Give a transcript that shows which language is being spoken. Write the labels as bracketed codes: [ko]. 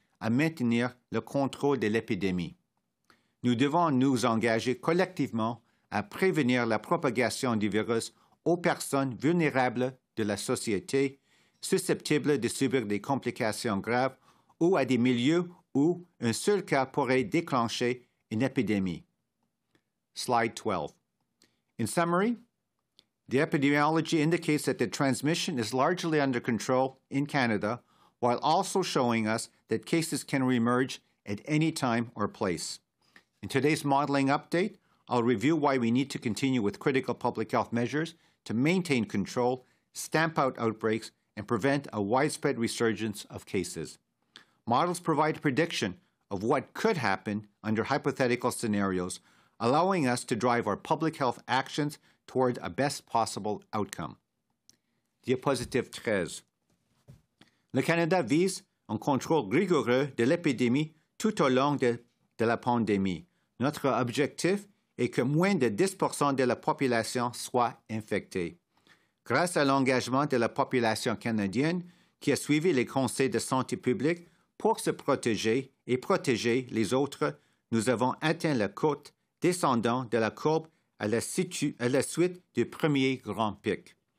[fr] à maintenir le contrôle de l'épidémie. Nous devons nous engager collectivement à prévenir la propagation du virus aux personnes vulnérables de la société, susceptibles de subir des complications graves ou à des milieux où un seul cas pourrait déclencher une épidémie. [en] Slide 12. In summary, the epidemiology indicates that the transmission is largely under control in Canada, while also showing us that cases can reemerge at any time or place. In today's modeling update, I'll review why we need to continue with critical public health measures to maintain control, stamp out outbreaks, and prevent a widespread resurgence of cases. Models provide prediction of what could happen under hypothetical scenarios, allowing us to drive our public health actions toward a best possible outcome. [fr] Diapositive 13. Le Canada vise un contrôle rigoureux de l'épidémie tout au long de la pandémie. Notre objectif est que moins de 10% de la population soit infectée. Grâce à l'engagement de la population canadienne qui a suivi les conseils de santé publique pour se protéger et protéger les autres, nous avons atteint la côte descendant de la courbe à la suite du premier grand pic.